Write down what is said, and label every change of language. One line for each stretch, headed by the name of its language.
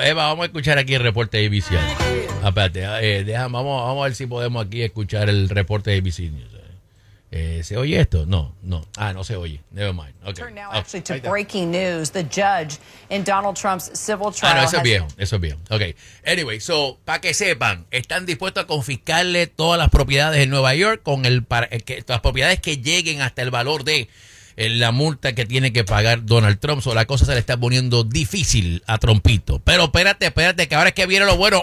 Spanish: Eva, vamos a escuchar aquí el reporte de ABC. Espérate, vamos a ver si podemos aquí escuchar el reporte de ABC News. ¿Se oye esto? No. Ah, no se oye.
English: Never mind.
Spanish: Okay.
English: Turn now actually to breaking news. The judge in Donald Trump's civil trial.
Spanish: Ah, no, eso es viejo. Okay. Anyway, so, para que sepan, están dispuestos a confiscarle todas las propiedades en Nueva York con las propiedades que lleguen hasta el valor de la multa que tiene que pagar Donald Trump. O la cosa se le está poniendo difícil a Trumpito. Pero espérate, que ahora es que viene lo bueno.